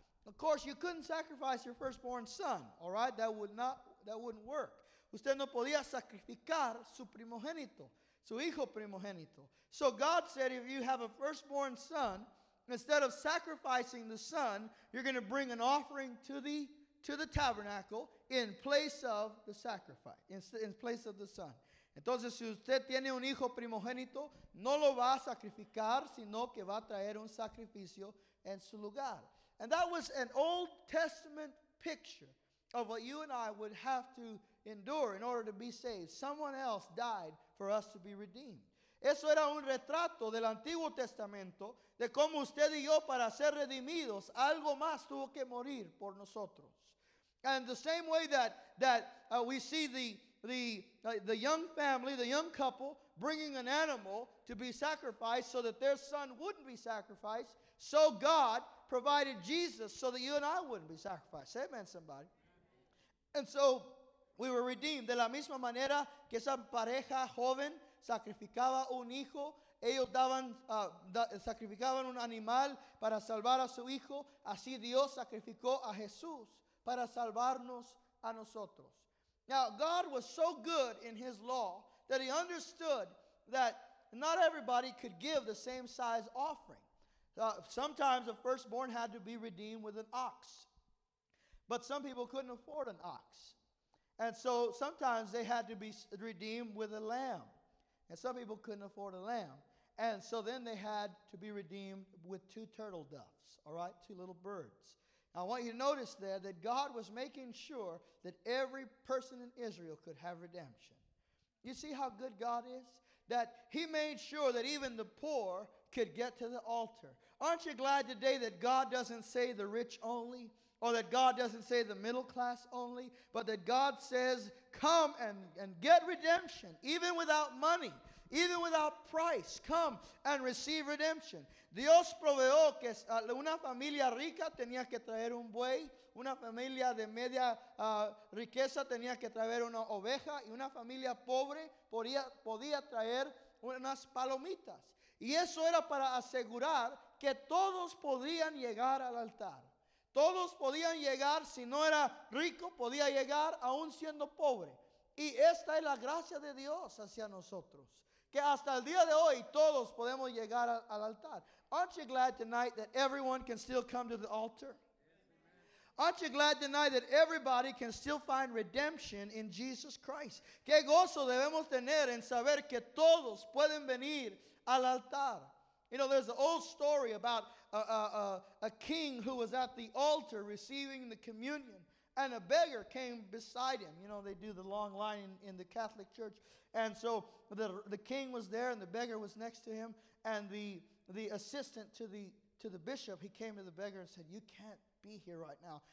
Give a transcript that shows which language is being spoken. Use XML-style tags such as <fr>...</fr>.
<en>Of course, you couldn't sacrifice your firstborn son, all right? That wouldn't work.</en> <es>Usted no podía sacrificar su primogénito, su hijo primogénito.</es> <en>So God said, if you have a firstborn son, instead of sacrificing the son, you're going to bring an offering to the tabernacle in place of the sacrifice, in place of the son.</en> <es>Entonces, si usted tiene un hijo primogénito, no lo va a sacrificar, sino que va a traer un sacrificio en su lugar.</es> <en>And that was an Old Testament picture of what you and I would have to endure in order to be saved. Someone else died for us to be redeemed.</en> <es>Eso era un retrato del Antiguo Testamento de cómo usted y yo, para ser redimidos, algo más tuvo que morir por nosotros.</es> <en>And the same way that we see the young family, the young couple, bringing an animal to be sacrificed so that their son wouldn't be sacrificed, so God provided Jesus so that you and I wouldn't be sacrificed. Say amen, somebody. And so we were redeemed.</en> <es>De la misma manera que esa pareja joven sacrificaba un hijo, ellos daban, sacrificaban un animal para salvar a su hijo, así Dios sacrificó a Jesús para salvarnos a nosotros.</es> <en>Now, God was so good in his law that he understood that not everybody could give the same size offering. Sometimes a firstborn had to be redeemed with an ox, but some people couldn't afford an ox. And so sometimes they had to be redeemed with a lamb. And some people couldn't afford a lamb. And so then they had to be redeemed with two turtle doves, all right, two little birds. Now, I want you to notice there that God was making sure that every person in Israel could have redemption. You see how good God is? That he made sure that even the poor could get to the altar. Aren't you glad today that God doesn't say the rich only? Or that God doesn't say the middle class only, but that God says, come and get redemption, even without money, even without price. Come and receive redemption.</en> <es>Dios proveó que una familia rica tenía que traer un buey, una familia de media riqueza tenía que traer una oveja, y una familia pobre podía traer unas palomitas. Y eso era para asegurar que todos podían llegar al altar. Todos podían llegar, si no era rico, podía llegar aún siendo pobre. Y esta es la gracia de Dios hacia nosotros. Que hasta el día de hoy, todos podemos llegar al altar.</es> <en>Aren't you glad tonight that everyone can still come to the altar? Aren't you glad tonight that everybody can still find redemption in Jesus Christ?</en> <es>Qué gozo debemos tener en saber que todos pueden venir al altar.</es> <en>You know, there's an old story about a king who was at the altar receiving the communion, and a beggar came beside him. You know, they do the long line in the Catholic Church. And so the king was there, and the beggar was next to him, and the assistant to the bishop, he came to the beggar and said, you can't be here right now.</en>